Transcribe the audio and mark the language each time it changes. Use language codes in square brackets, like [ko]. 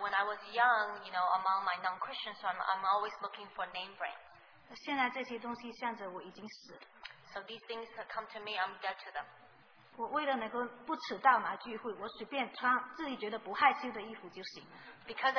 [en] when I was young, you know, among my non-Christians, I'm always looking for name brands. [zh] 现在这些东西向着我已经死了。 [en] So these things have come to me, I'm dead to them. [zh] 我为了能够不迟到嘛聚会，我随便穿自己觉得不害羞的衣服就行了。 [en] Because